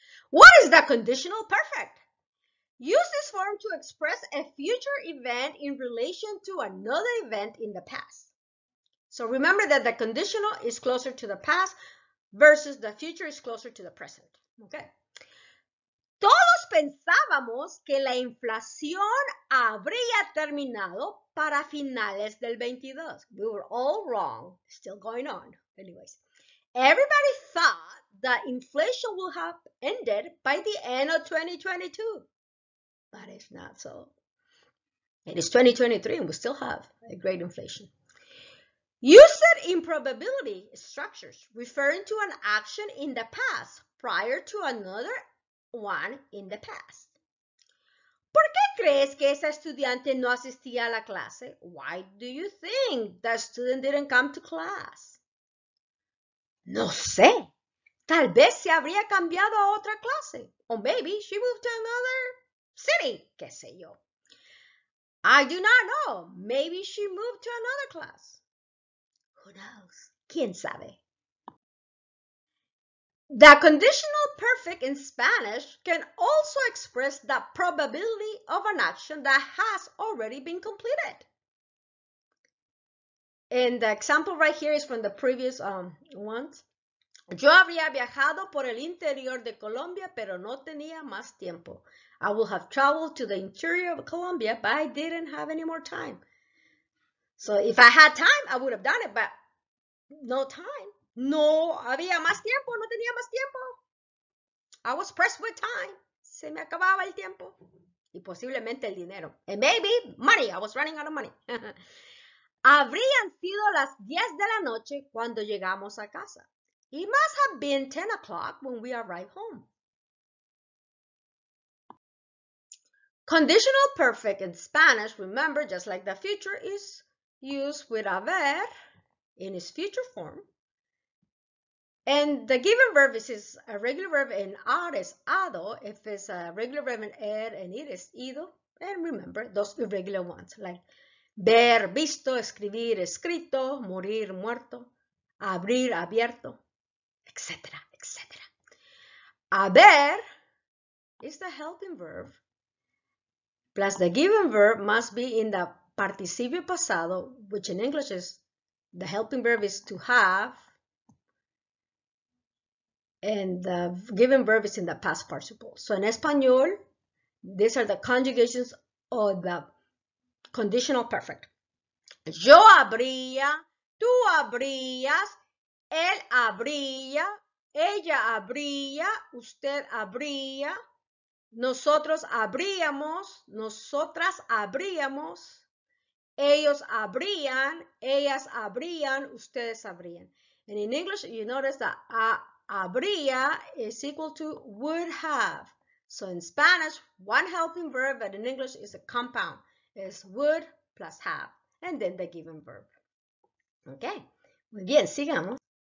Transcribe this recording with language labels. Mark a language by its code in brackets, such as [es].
[en] What is the conditional perfect? Use this form to express a future event in relation to another event in the past. So remember that the conditional is closer to the past versus the future is closer to the present. Okay. [es] Todos pensábamos que la inflación habría terminado para finales del 22. [en] We were all wrong. Still going on. Anyways. Everybody thought that inflation will have ended by the end of 2022. But it's not so. It is 2023 and we still have a great inflation. Use it in probability structures, referring to an action in the past prior to another one in the past. [es] ¿Por qué crees que esa estudiante no asistía a la clase? [en] Why do you think that student didn't come to class? [es] No sé. Tal vez se habría cambiado a otra clase. [en] Or maybe she moved to another city. [es] ¿Qué sé yo? [en] I do not know. Maybe she moved to another class. Who knows? [es] ¿Quién sabe? [en] The conditional perfect in Spanish can also express the probability of an action that has already been completed. And the example right here is from the previous ones. [es] Yo había viajado por el interior de Colombia, pero no tenía más tiempo. [en] I will have traveled to the interior of Colombia, but I didn't have any more time. So if I had time, I would have done it, but no time. [es] No había más tiempo, no tenía más tiempo. [en] I was pressed with time. [es] Se me acababa el tiempo. Y posiblemente el dinero. [en] And maybe money. I was running out of money. [es] Habrían sido las 10 de la noche cuando llegamos a casa. [en] It must have been 10 o'clock when we arrived home. Conditional perfect in Spanish, remember, just like the future, is used with haber in its future form. And the given verb is a regular verb and ad is ado. If it's a regular verb and ed and it is ido. And remember, those irregular ones like ver, visto, escribir, escrito, morir, muerto, abrir, abierto, etc., etc. Haber is the helping verb. Plus the given verb must be in the participio pasado, which in English is the helping verb is to have. And the given verb is in the past participle. So in Español, these are the conjugations of the conditional perfect. [es] Yo habría, tú habrías, él habría, ella habría, usted habría. Nosotros habríamos, nosotras habríamos, ellos habrían, ellas habrían, ustedes habrían. [en] And in English, you notice that habría is equal to would have. So in Spanish, one helping verb, but in English is a compound. It's would plus have, and then the given verb. Okay, [es] muy bien, sigamos.